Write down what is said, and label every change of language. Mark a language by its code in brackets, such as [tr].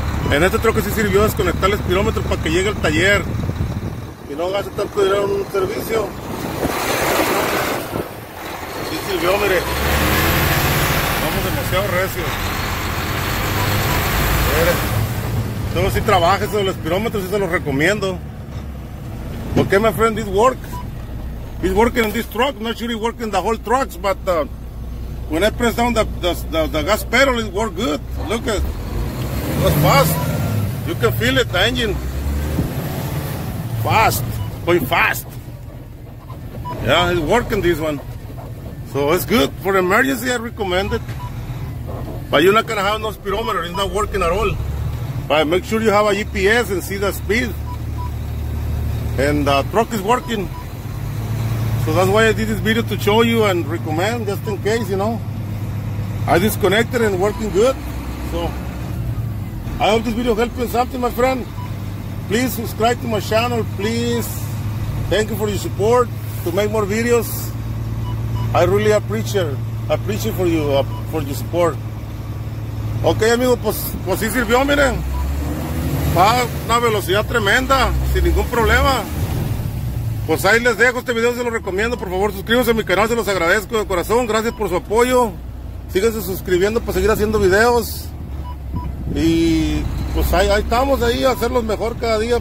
[es] En este troque sí sirvió desconectar el espirómetro para que llegue al taller. Y no gaste tanto dinero en un servicio. Sí sirvió, mire. Vamos demasiado recio. Mire. Solo si trabaja eso del espirómetro, sí se lo recomiendo. ¿Por qué, [en] my friend, this works? It's working in this truck, not sure it's working the whole trucks, but when I press down the gas pedal, it worked good. Look at it. It was fast. You can feel it, the engine. Fast. Going fast. Yeah, it's working this one. So it's good. For emergency, I recommend it. But you're not going to have no speedometer. It's not working at all. But make sure you have a GPS and see the speed. And the truck is working. So that's why I did this video, to show you and recommend, just in case, you know. I disconnected and working good. So I hope this video helped you in something, my friend. Please subscribe to my channel. Please thank you for your support to make more videos. I really appreciate for you for your support. [es] Okay, amigo, pues sí sirvió, miren. Va a una velocidad tremenda, sin ningún problema. Pues ahí les dejo este video, se lo recomiendo. Por favor, suscríbanse a mi canal, se los agradezco de corazón. Gracias por su apoyo. Síganse suscribiendo para seguir haciendo videos. Y pues ahí estamos, ahí a hacerlos mejor cada día.